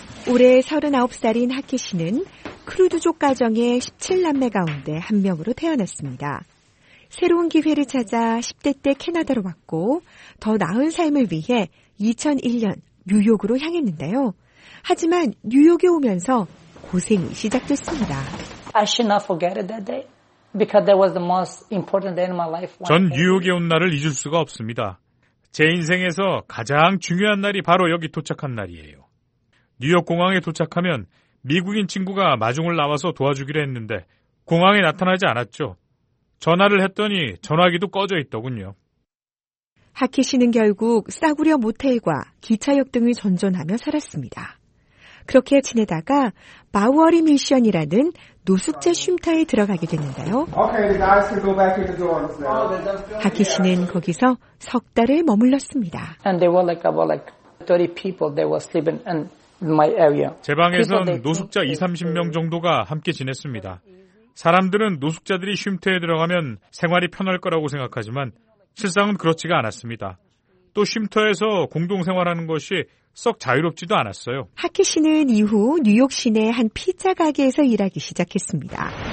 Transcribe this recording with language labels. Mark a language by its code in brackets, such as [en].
[ko] 올해 39살인 하키 씨는 크루드족 가정의 17남매 가운데 한 명으로 태어났습니다. 새로운 기회를 찾아 10대 때 캐나다로 왔고 더 나은 삶을 위해 2001년 뉴욕으로 향했는데요. 하지만 뉴욕에 오면서 고생이 시작됐습니다. [en] I should not forget it that day because that was the most important day in my life. [ko] 전 뉴욕에 온 날을 잊을 수가 없습니다. 제 인생에서 가장 중요한 날이 바로 여기 도착한 날이에요. 뉴욕 공항에 도착하면 미국인 친구가 마중을 나와서 도와주기로 했는데 공항에 나타나지 않았죠. 전화를 했더니 전화기도 꺼져 있더군요. 하키 씨는 결국 싸구려 모텔과 기차역 등을 전전하며 살았습니다. 그렇게 지내다가 마우어리 미션이라는 노숙자 쉼터에 들어가게 됐는데요. 하키 씨는 거기서 석 달을 머물렀습니다. [en] And they were like about like 30 people they were sleeping and [ko] 제 방에선 노숙자 20, 30명 정도가 함께 지냈습니다. 사람들은 노숙자들이 쉼터에 들어가면 생활이 편할 거라고 생각하지만 실상은 그렇지가 않았습니다. 또 쉼터에서 공동생활하는 것이 썩 자유롭지도 않았어요. 하키 씨는 이후 뉴욕 시내 한 피자 가게에서 일하기 시작했습니다.